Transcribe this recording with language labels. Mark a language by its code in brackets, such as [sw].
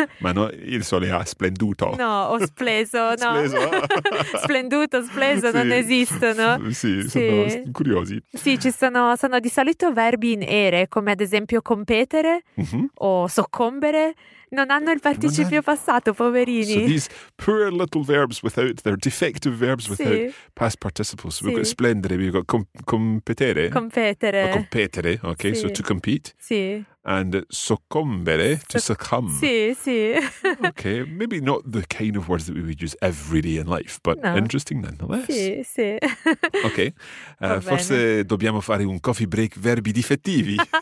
[it] Ma no, il sole ha splenduto. No, o spleso, no. Splenduto, spleso, sì. Non esistono. Sì, sono curiosi. Sì, ci sono di solito verbi in ere, come ad esempio competere, mm-hmm, o soccombere. Non hanno il participio passato, poverini. [en] So these poor little verbs without their defective verbs without, sì, past participles. We've, sì, got splendere, we've got competere. [it] Competere. [en] Or competere, okay, sì, so to compete. [it] Sì. [en] And soccombere, to succumb. [it] Sì, sì. [en] Okay, maybe not the kind of words that we would use every day in life, but no, interesting nonetheless. [it] Sì, sì. Okay, forse dobbiamo fare un coffee break verbi difettivi.